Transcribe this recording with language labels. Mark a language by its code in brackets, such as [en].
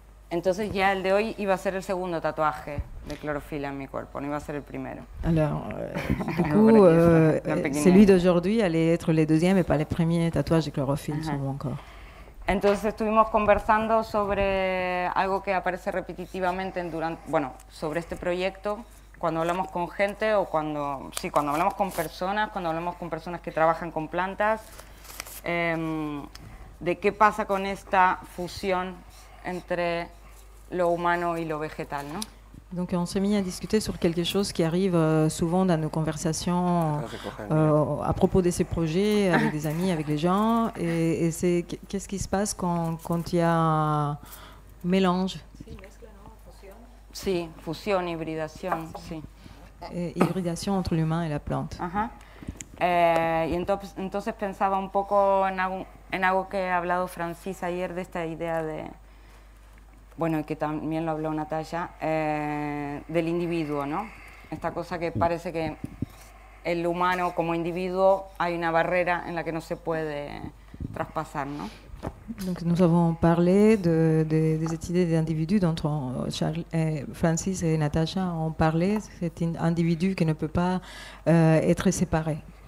[es] Entonces ya el de hoy iba a ser el segundo tatuaje de clorofila en mi cuerpo, no iba a ser el primero. [fr] Alors, du coup, celui d'aujourd'hui allait être le deuxième et pas le premier [es] tatuaje de clorofila [fr] sur mon corps. [es] Entonces estuvimos conversando sobre algo que aparece repetitivamente sobre este proyecto. Cuando hablamos con gente o cuando hablamos con personas, cuando hablamos con personas que trabajan con plantas, de qué pasa con esta fusión entre lo humano y lo vegetal, ¿no? [fr] Donc on s'est mis à discuter sur quelque chose qui arrive souvent dans nos conversations à propos de ces projets avec des amis, avec les gens, et c'est qu'est-ce qui se passe quand il y a mélange. [es] Sí, fusión, hibridación, sí. Hibridación entre el humano y la planta. Y entonces pensaba un poco en algo que ha hablado Francis ayer, de esta idea de, bueno, que también lo habló Natalia, del individuo, ¿no? Esta cosa que parece que el humano como individuo hay una barrera en la que no se puede traspasar, ¿no? [fr] Donc nous avons parlé de cette idée d'individu dont Francis et Natacha ont parlé, cet individu qui ne peut pas être séparé.